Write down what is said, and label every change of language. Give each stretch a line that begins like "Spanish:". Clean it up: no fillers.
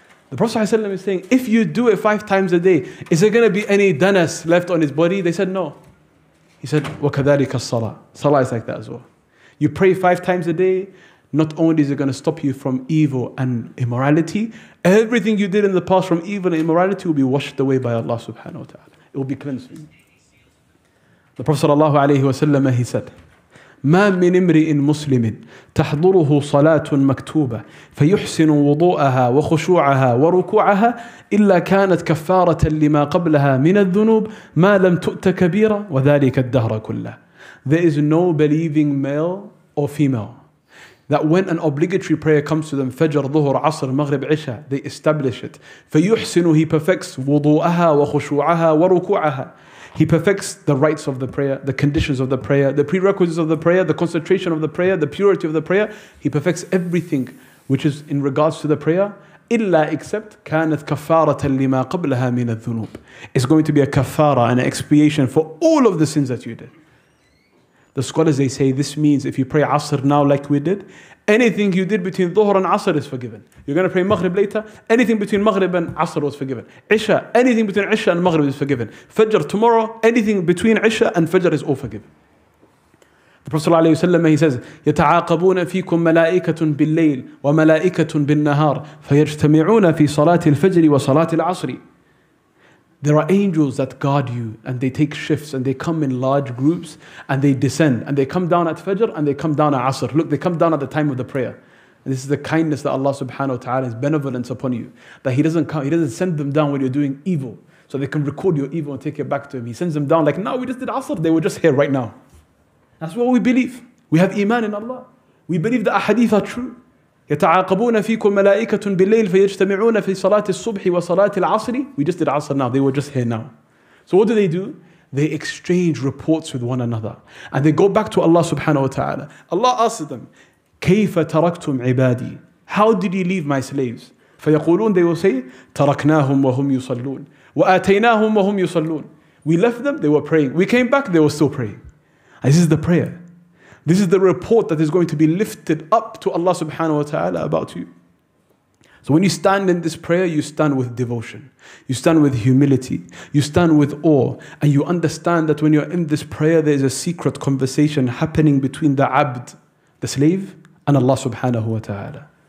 English: The Prophet ﷺ is saying, if you do it 5 times a day, is there going to be any dunas left on his body? They said, no. He said,
Arabic: وَكَذَلِكَ الصَّلَاةِ.
English: Salah is like that as well. You pray 5 times a day, not only is it going to stop you from evil and immorality, everything you did in the past from evil and immorality will be washed away by Allah subhanahu wa ta'ala. It will be cleansed. The Prophet sallallahu alayhi wa sallam, he said,
Arabic: مَا مِنْ إِمْرِئٍ مُسْلِمٍ تَحْضُرُهُ صَلَاةٌ مَكْتُوبَةٌ فَيُحْسِنُ وُضُوءَهَا وَخُشُوعَهَا وَرُكُوعَهَا إِلَّا كَانَتْ كَفَّارَةً لِمَا قَبْلَهَا مِنَ الذُّنُوبِ مَا لَمْ تُؤْتَ كَبِيرًا وَذَلِكَ الدَّهْرَ كُلَّهُ.
English: There is no believing male or female that when an obligatory prayer comes to them, Fajr, Dhuhr, Asr, Maghrib, Isha, they establish it.
Arabic: فَيُحْسِنُ,
English: he perfects,
Arabic: وُضُوءَهَا وَخُشُوعَهَا وَرُكُوعَهَا.
English: He perfects the rites of the prayer, the conditions of the prayer, the prerequisites of the prayer, the concentration of the prayer, the purity of the prayer. He perfects everything which is in regards to the prayer.
Arabic: Illa except كانت كفارة لما قبلها من الذنوب.
English: It's going to be a kafara, an expiation for all of the sins that you did. The scholars, they say this means if you pray Asr now like we did, anything you did between Dhuhr and Asr is forgiven. You're going to pray Maghrib later, anything between Maghrib and Asr was forgiven. Isha, anything between Isha and Maghrib is forgiven. Fajr tomorrow, anything between Isha and Fajr is all forgiven. The Prophet ﷺ, he says,
Arabic: يَتَعَاقَبُونَ فِيكُمْ مَلَائِكَةٌ بِالْلَّيْلِ وَمَلَائِكَةٌ بِالنَّهَارِ فَيَجْتَمِعُونَ فِي صَلَاةِ الْفَجْرِ وَصَلَاةِ الْعَصْرِ.
English: There are angels that guard you, and they take shifts, and they come in large groups, and they descend, and they come down at Fajr, and they come down at Asr. Look, they come down at the time of the prayer. And this is the kindness that Allah subhanahu wa ta'ala has benevolence upon you, that He doesn't come, He doesn't send them down when you're doing evil, so they can record your evil and take it back to Him. He sends them down like, now we just did Asr, they were just here right now. That's what we believe. We have iman in Allah. We believe the ahadith are true.
Arabic: يَتَعَاقَبُونَ فِيكُمْ مَلَائِكَةٌ بِاللَّيْلِ فَيَجْتَمِعُونَ فِي صَلَاةِ الصُّبْحِ وَصَلَاةِ الْعَصْرِ.
English: We just did Asr now. They were just here now. So what do? They exchange reports with one another. And they go back to Allah subhanahu wa ta'ala. Allah asks them,
Arabic: كَيْفَ تَرَكْتُمْ عِبَادِي?
English: How did you leave my slaves?
Arabic: فَيَقُولُونَ,
English: they will say,
Arabic: تَرَكْنَاهُمْ وَهُمْ يُصَلُّونَ وَآتَيْنَاهُمْ وَهُمْ يُصَلُّونَ.
English: We left them, they were praying. We came back, they were still praying. This is the prayer. This is the report that is going to be lifted up to Allah subhanahu wa ta'ala about you. So when you stand in this prayer, you stand with devotion. You stand with humility. You stand with awe. And you understand that when you're in this prayer, there is a secret conversation happening between the abd, the slave, and Allah subhanahu wa ta'ala.